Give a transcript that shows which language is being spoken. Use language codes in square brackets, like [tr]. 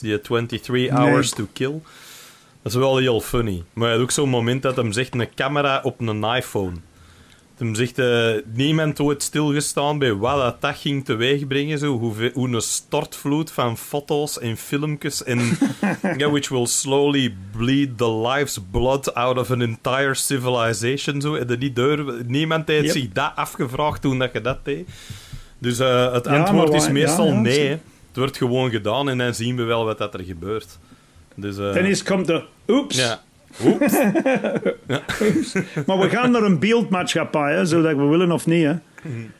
[nl] Die 23 Hours to Kill. Dat is wel heel funny. Maar je hebt ook zo'n moment dat hem zegt, een camera op een iPhone. Toen zegt niemand ooit stilgestaan bij wat dat ging teweegbrengen. Hoe een stortvloed van foto's en filmpjes. [en] En, yeah, which will slowly bleed the life's blood out of an entire civilization. [nl] Zo. En niemand heeft zich dat afgevraagd toen dat je dat deed. Dus het antwoord is meestal nee. Het wordt gewoon gedaan en dan zien we wel wat dat er gebeurt. Dus, [en] Then is come the oops. Yeah. [nl] Oeps. Maar we gaan naar een beeldmaatschappij, hè, zodat we willen of niet. Hè. Mm.